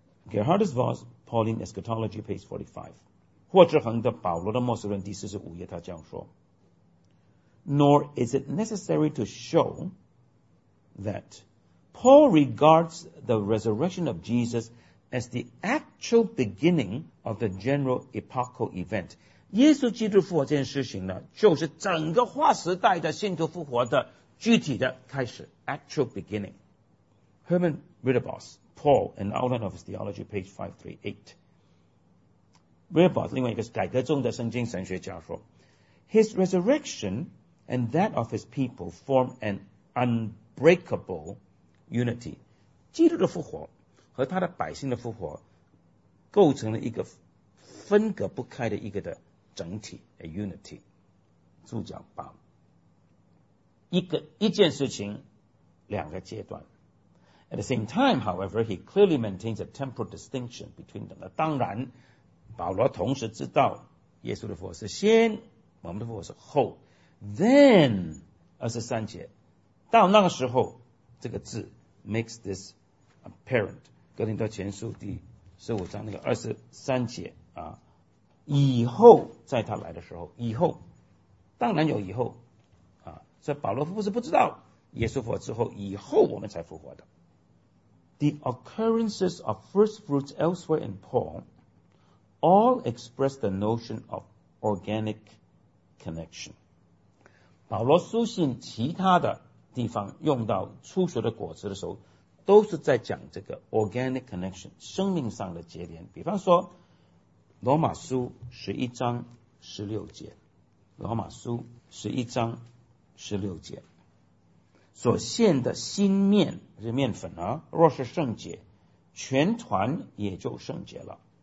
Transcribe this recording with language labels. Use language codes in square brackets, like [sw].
[en] Gerhardus Voss, Pauline Eschatology, page 45. [zh] 霍志恒的保罗的末世论第45页他这样说 [en] Nor is it necessary to show that Paul regards the resurrection of Jesus as the actual beginning of the general epochal event. [zh] 耶稣基督复活这件事情呢，就是整个划时代的信徒复活的具体的开始 [en] ，actual beginning. Herman Riedebos, Paul, an outline of his theology, page 538. Riedebos, [zh] 另外一个是改革中的圣经神学家说 [en] ，his resurrection and that of his people form an unbreakable unity. [zh] 基督的复活和他的百姓的复活构成了一个分隔不开的一个的。整体 [en] a unity [zh] 主角把一件事情两个阶段 [en] at the same time however he clearly maintains a temporal distinction between them [zh] 当然保罗同时知道耶稣的复活是先我们的复活是后 [en] then [zh] 23节到那个时候这个字 [en] makes this apparent [zh] 格林多前书第15章那个23节啊以后在他来的时候以后当然有以后啊，所以保罗不是不知道耶稣复活之后以后我们才复活的 [en] The occurrences of first fruits elsewhere in Paul all express the notion of organic connection [zh] 保罗书信其他的地方用到初熟的果子的时候都是在讲这个 [en] organic connection [zh] 生命上的结连比方说罗马书十一章十六节，罗马书十一章十六节，所献的新面是面粉啊，若是圣洁，全团也就圣洁了。